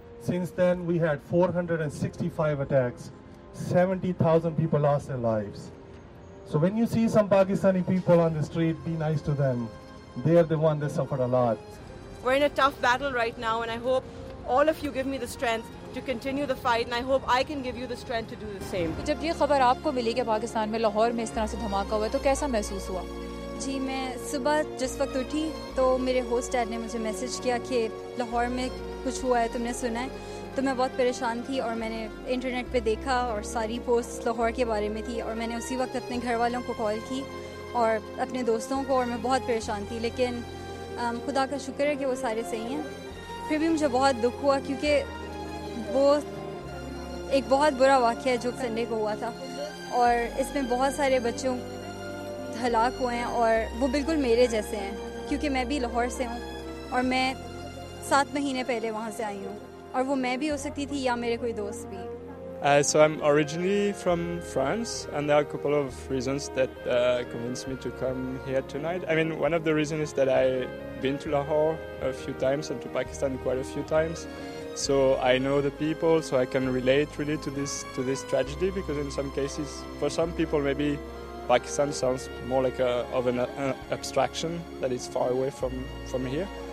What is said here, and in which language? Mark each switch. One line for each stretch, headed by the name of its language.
English: Since then, we had 465 attacks. 70,000 people lost their lives. So when you see some Pakistani people on the street, be nice to them. They are the ones that suffered a lot. We're in a tough battle right now, and I hope all of you give me the strength to continue the fight, and I hope I can give you the strength to do the same.
Urdu: جب یہ خبر آپ کو ملی کہ پاکستان میں لاہور میں اس طرح سے دھماکہ ہوا, تو کیسا محسوس ہوا؟ جی, میں صبح جس وقت اٹھی تو میرے ہوسٹ ڈیڈ نے مجھے میسج کیا کہ لاہور میں کچھ ہوا ہے, تم نے سنا ہے. تو میں بہت پریشان تھی اور میں نے انٹرنیٹ پہ دیکھا اور ساری پوسٹ لاہور کے بارے میں تھی, اور میں نے اسی وقت اپنے گھر والوں کو کال کی اور اپنے دوستوں کو, اور میں بہت پریشان تھی. لیکن خدا کا شکر ہے کہ وہ سارے صحیح ہیں. پھر بھی مجھے بہت دکھ ہوا کیونکہ وہ ایک بہت برا واقعہ ہے جو سنڈے کو ہوا تھا, اور اس میں بہت سارے بچوں ہلاک ہوئے ہیں, اور وہ بالکل میرے جیسے ہیں کیونکہ میں بھی لاہور سے ہوں اور میں 7 مہینے پہلے وہاں سے آئی ہوں, اور وہ میں بھی ہو سکتی تھی یا میرے کوئی دوست بھی.
English: So I'm originally from France, and there are a couple of reasons that convinced me to come here tonight. I mean, one of the reasons is that I've been to Lahore a few times and to Pakistan quite a few times, so I know the people, so I can relate really to this tragedy, because in some cases for some people maybe Pakistan sounds more like an abstraction, that is far away from here.